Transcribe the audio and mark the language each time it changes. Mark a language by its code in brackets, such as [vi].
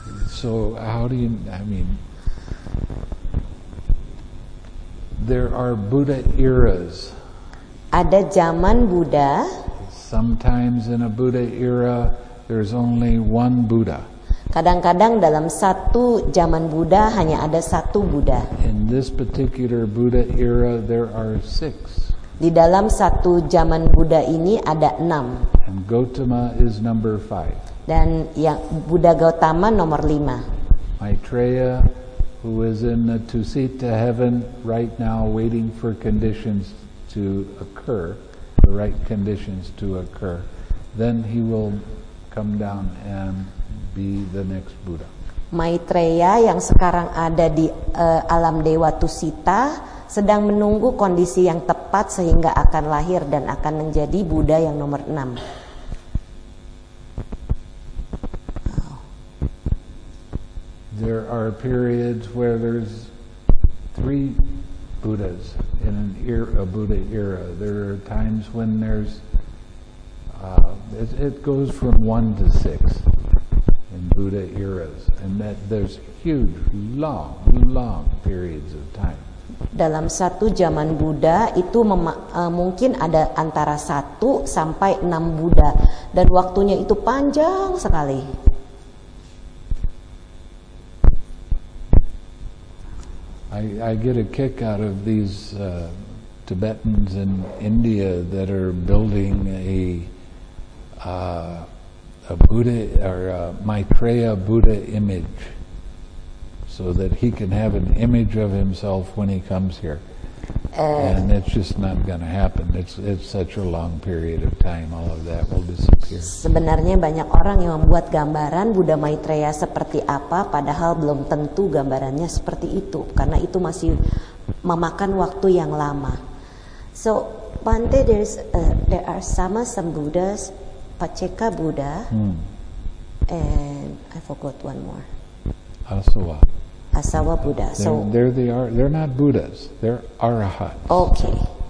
[en] So how do you, I mean, there are Buddha eras. [id] Ada zaman Buddha. [en] Sometimes in a Buddha era, there's only one Buddha. [id] Kadang-kadang dalam satu zaman Buddha hanya ada satu Buddha. [en] In this particular Buddha era, there are 6. [id] Di dalam satu zaman Buddha ini ada 6. [en] And Gautama is number 5. [id] Dan yang Buddha Gautama nomor 5. [en] Maitreya, who is in the Tusita heaven right now waiting for conditions to occur, the right conditions to occur, then he will come down and be the next Buddha. [id] Maitreya yang sekarang ada di alam Dewa Tusita sedang menunggu kondisi yang tepat sehingga akan lahir dan akan menjadi Buddha yang nomor 6. [en] There are periods where there's 3 Buddhas in a Buddha era. There are times when there's it goes from 1 to 6 in Buddha eras, and that there's huge, long, long periods of time. [id] Dalam satu zaman Buddha itu mungkin ada antara 1 sampai 6 Buddha, dan waktunya itu panjang sekali. [en] I get a kick out of these Tibetans in India that are building a Buddha or a Maitreya Buddha image, so that he can have an image of himself when he comes here. And it's just not going to happen. It's such a long period of time. All of that will disappear. [id] Sebenarnya banyak orang yang membuat gambaran Buddha Maitreya seperti apa, padahal belum tentu gambarannya seperti itu, karena itu masih memakan waktu yang lama. [en] So, Pante, there are some Buddhas, Paceka Buddha, and I forgot one more. Asawa. Asawa Buddha. They're not Buddhas. They're Arahats. Okay.